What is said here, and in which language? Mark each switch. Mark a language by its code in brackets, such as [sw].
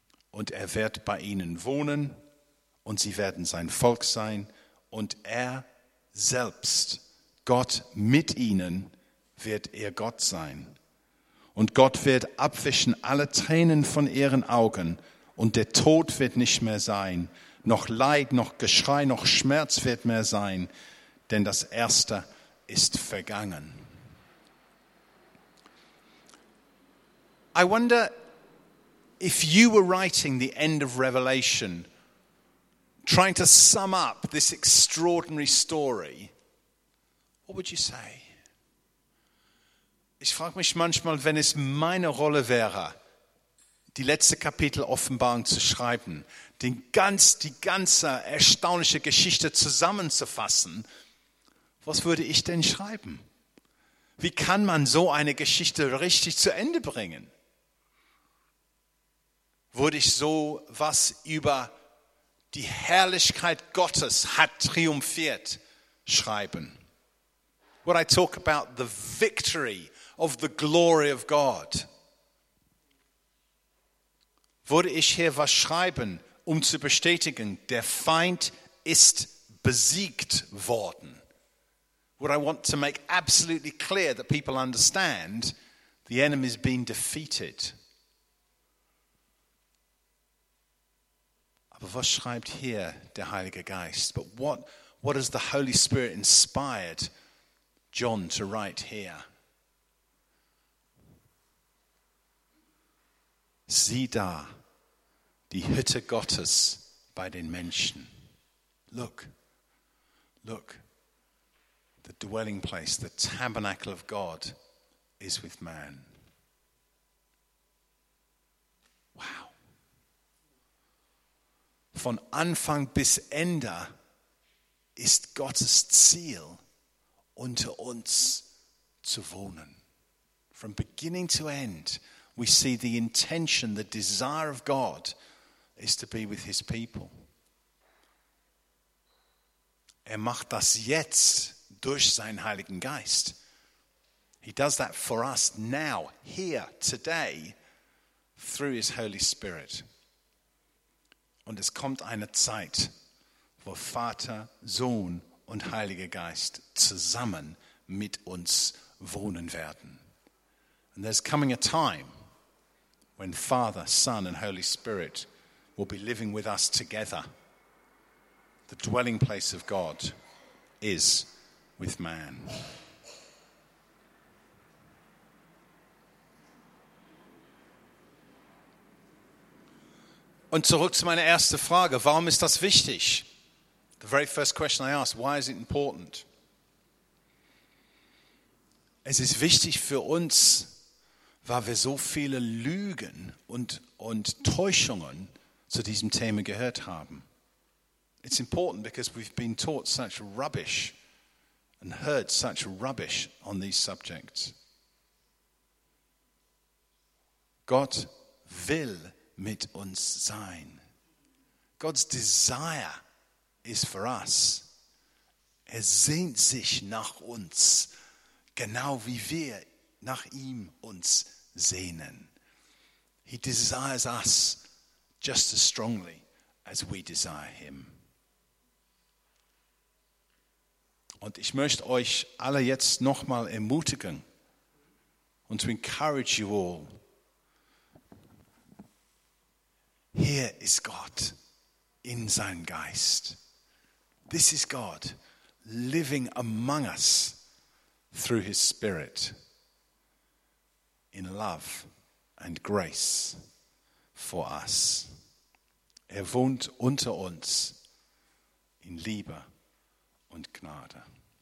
[de] Und er wird bei ihnen wohnen, und sie werden sein Volk sein, und er selbst, Gott mit ihnen, wird ihr Gott sein. Und Gott wird abwischen alle Tränen von ihren Augen, und der Tod wird nicht mehr sein, noch Leid, noch Geschrei, noch Schmerz wird mehr sein, denn das Erste ist vergangen. [en] I wonder if you were writing the end of Revelation, trying to sum up this extraordinary story, what would you say? [de] Ich frage mich manchmal, wenn es meine Rolle wäre, die letzte Kapitel Offenbarung zu schreiben, die ganze erstaunliche Geschichte zusammenzufassen, was würde ich denn schreiben? Wie kann man so eine Geschichte richtig zu Ende bringen? Würde ich so was über die Herrlichkeit Gottes hat triumphiert schreiben? [en] Would I talk about the victory of the glory of God? [de] Würde ich hier was schreiben, um zu bestätigen, der Feind ist besiegt worden? [en] Would I want to make absolutely clear that people understand the enemy is being defeated? [de] Aber was schreibt hier der Heilige Geist? [en] But what has the Holy Spirit inspired John to write here? [de] Sieh da, die Hütte Gottes bei den Menschen. [en] Look, the dwelling place, the tabernacle of God is with man. Wow. [de] Von Anfang bis Ende ist Gottes Ziel, unter uns zu wohnen. [en] From beginning to end, we see the intention, the desire of God is to be with his people. [de] Er macht das jetzt durch seinen Heiligen Geist. [en] He does that for us now, here, today, through his Holy Spirit. [de] Und es kommt eine Zeit, wo Vater, Sohn und Heiliger Geist zusammen mit uns wohnen werden. [en] And there's coming a time when Father, Son and Holy Spirit will be living with us together. The dwelling place of God is with man. [de] Und zurück zu meiner ersten Frage, warum ist das wichtig? [en] The very first question I asked, why is it important? [de] Es ist wichtig für uns, weil wir so viele Lügen und Täuschungen zu diesem Thema gehört haben. [en] It's important because we've been taught such rubbish and heard such rubbish on these subjects. [de] Gott will mit uns sein. [en] God's desire is for us. [de] Er sehnt sich nach uns, genau wie wir nach ihm uns sehnen. [en] He desires us just as strongly as we desire him. [de] Und ich möchte euch alle jetzt nochmal ermutigen und [en] to encourage you all. [de] Hier ist Gott in seinem Geist. [en] This is God living among us through his Spirit in love and grace for us. [de] Er wohnt unter uns in Liebe und Gnade.